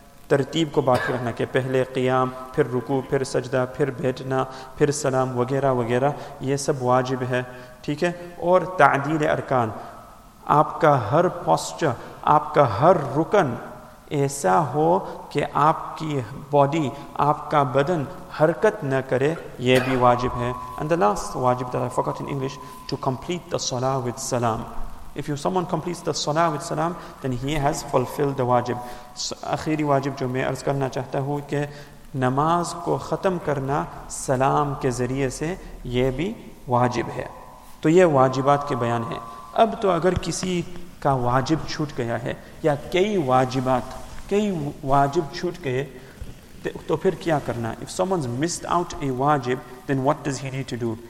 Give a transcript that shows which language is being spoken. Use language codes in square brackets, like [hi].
[ur] ترتیب کو باقی رکھنا کہ پہلے قیام, پھر رکوع, پھر سجدہ, پھر بیٹھنا, پھر سلام وغیرہ وغیرہ, یہ سب واجب ہے. ٹھیک ہے. اور تعدیل ارکان, آپ کا ہر پوسچر, آپ کا ہر رکن ایسا ہو کہ آپ کی باڈی, آپ کا بدن حرکت نہ کرے, یہ بھی واجب ہے. [en] And the last wajib that I forgot in English, to complete the salah with salam. If you someone completes the salah with salam, then he has fulfilled the wajib. [ur] آخری واجب جو میں عرض کرنا چاہتا ہوں کہ نماز کو ختم کرنا سلام کے ذریعے سے, یہ بھی واجب ہے. تو یہ واجبات کے بیان ہیں. اب تو اگر کسی کا واجب چھوٹ گیا ہے یا کئی واجب چھوٹ گئے تو پھر کیا کرنا. [en] If someone's missed out a wajib, then what does he need to do?